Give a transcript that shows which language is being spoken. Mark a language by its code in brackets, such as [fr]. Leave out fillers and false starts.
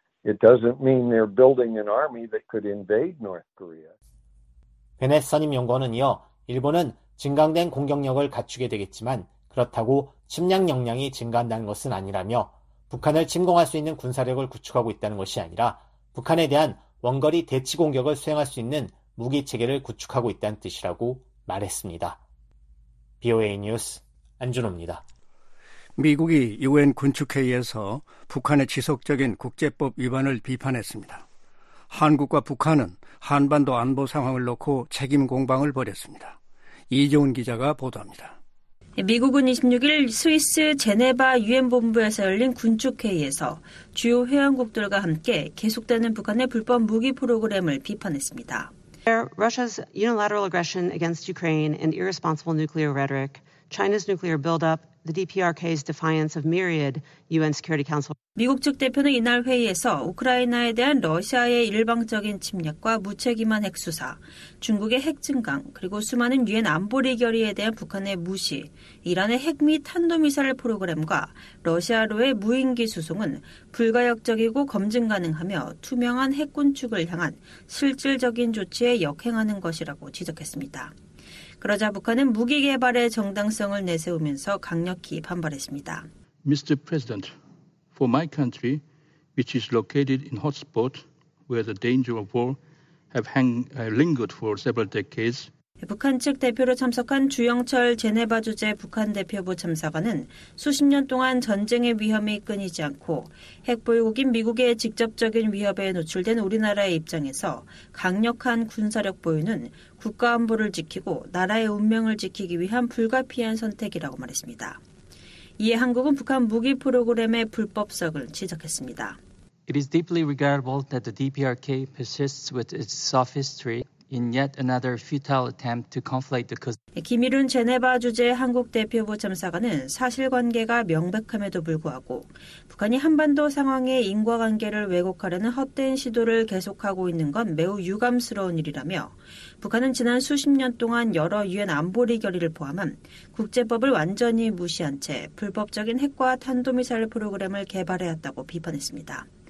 [en] It doesn't mean they're building an army that could invade North Korea. [ko] 베넷 선임 연구원은 이어 일본은 증강된 공격력을 갖추게 되겠지만 그렇다고 침략 역량이 증가한다는 것은 아니라며 북한을 침공할 수 있는 군사력을 구축하고 있다는 것이 아니라 북한에 대한 원거리 대치 공격을 수행할 수 있는 무기 체계를 구축하고 있다는 뜻이라고 말했습니다. BOA 뉴스 안준호입니다. 미국이 UN 군축회의에서 북한의 지속적인 국제법 위반을 비판했습니다. 한국과 북한은 한반도 안보 상황을 놓고 책임 공방을 벌였습니다. 이종훈 기자가 보도합니다. 미국은 26일 스위스 제네바 유엔 본부에서 열린 군축회의에서 주요 회원국들과 함께 계속되는 북한의 불법 무기 프로그램을 비판했습니다. [en] Russia's unilateral aggression against Ukraine and irresponsible nuclear rhetoric, China's nuclear buildup, the DPRK's defiance of myriad UN Security Council. [ko] 미국 측 대표는 이날 회의에서 우크라이나에 대한 러시아의 일방적인 침략과 무책임한 핵수사, 중국의 핵증강, 그리고 수많은 유엔 안보리 결의에 대한 북한의 무시, 이란의 핵 및 탄도미사일 프로그램과 러시아로의 무인기 수송은 불가역적이고 검증 가능하며 투명한 핵군축을 향한 실질적인 조치에 역행하는 것이라고 지적했습니다. 그러자 북한은 무기 개발의 정당성을 내세우면서 강력히 반발했습니다. [en] Mr. President, for my country, which is located in hot spot where the danger of war have lingered for several decades. [ko] 북한 측 대표로 참석한 주영철 제네바 주재 북한 대표부 참사관은 수십 년 동안 전쟁의 위험이 끊이지 않고 핵보유국인 미국의 직접적인 위협에 노출된 우리나라의 입장에서 강력한 군사력 보유는 국가 안보를 지키고 나라의 운명을 지키기 위한 불가피한 선택이라고 말했습니다. 이에 한국은 북한 무기 프로그램의 불법성을 지적했습니다. [en] It is deeply regrettable that the DPRK persists with its sophistry. In yet another futile attempt to conflate the cause. [ko] 김일훈 제네바 주재 한국 대표부 참사관은 사실관계가 명백함에도 불구하고 북한이 한반도 상황의 인과관계를 왜곡하려는 헛된 시도를 계속하고 있는 건 매우 유감스러운 일이라며 북한은 지난 수십 년 동안 여러 유엔 안보리 결의를 포함한 국제법을 완전히 무시한 채 불법적인 핵과 탄도미사일 프로그램을 개발해왔다고 비판했습니다.